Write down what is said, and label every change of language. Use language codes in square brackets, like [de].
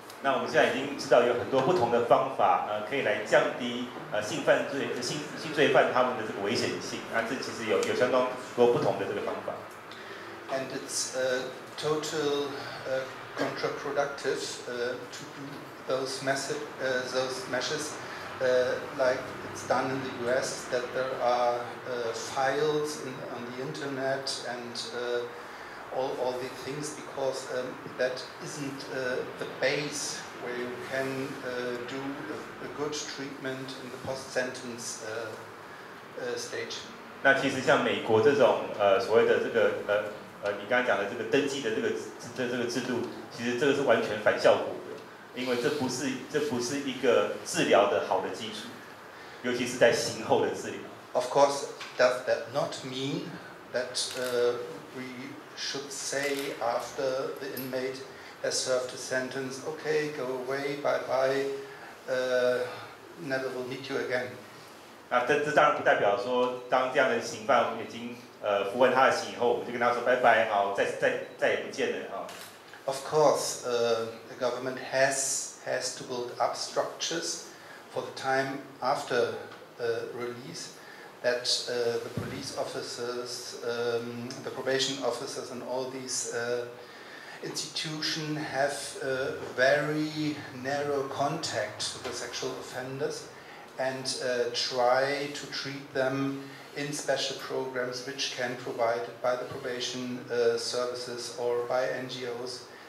[zh] 那我们现在已经知道有很多不同的方法，可以来降低性罪犯他们的这个危险性。那这其实有相当多不同的这个方法。 [en] And it's total counterproductive to do those measures like it's done in the U.S. that there are files on the internet and all the things because that isn't the base where you can do a good treatment in the post-sentence stage. [zh] 那其实像美国这种所谓的这个你刚才讲的这个登记的这个制度，其实这个是完全反效果的，因为这不是一个治疗的好的基础，尤其是在刑后的治疗。 [en] Of course, does that not mean that we should say after the inmate has served a sentence, okay, go away, bye-bye, never will meet you again. [zh] 那这当然不代表说当这样的刑犯已经服完他的刑以后，我们就跟他说拜-bye，好，再也不见了。 [en] Of course, the government has to build up structures for the time after release. That the police officers, the probation officers, and all these institution have a very narrow contact with sexual offenders and try to treat them in special programs which can provide by the probation services or by NGOs.